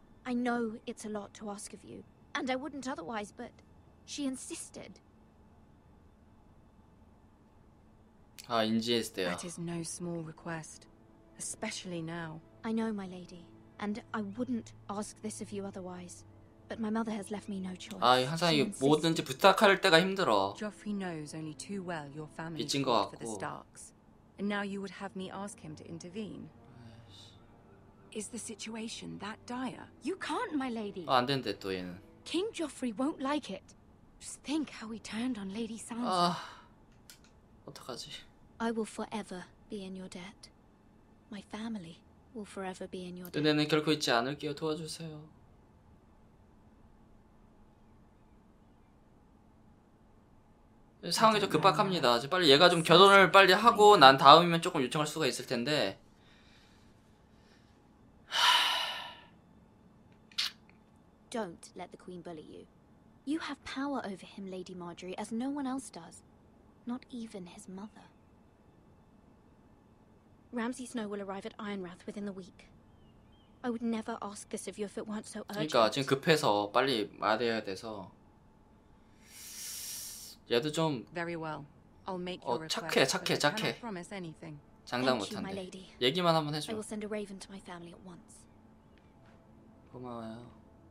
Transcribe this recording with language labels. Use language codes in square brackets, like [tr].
[en] I know it's a lot to ask of you, and I wouldn't otherwise, but she insisted. [ko] 아, 인지했대요. [en] That is no small request, especially now. I know, my lady, and I wouldn't ask this of you otherwise, but my mother has left me no choice. [ko] 아, 항상 뭐든지 부탁할 때가 힘들어. [en] Joffrey knows only too well your family is for the Starks, and now you would have me ask him to intervene. Is the situation that dire? You can't, my lady. [ko] 아, 안 된대 또 얘는. [en] King Joffrey won't like it. Just think how he turned on Lady Sansa. [ko] 아. 어떡하지? [en] I will forever be in your debt. My family will forever be in your debt. [ko] 은혜는 결코 잊지 않을게요. 도와주세요. 상황이 좀 급박합니다. 이제 빨리 얘가 좀 결혼을 빨리 하고 난 다음이면 조금 요청할 수가 있을 텐데. 하... [en] Don't let the queen bully you. You have power over him, Lady Marjorie, as no one else does. Not even his mother. Ramsay Snow will arrive at Ironwrath within the week. I would never ask this of you if it weren't so urgent. [ko] 그러니까 지금 급해서 빨리 말해야 돼서. 얘도 좀 [en] Very well. I'll make your request. [ko] 착해. [en] Promise anything. [ko] 장담 못 한대. 얘기만 한번 해 줘. [en] I will send a raven to my family at once. [ko] 고마워요.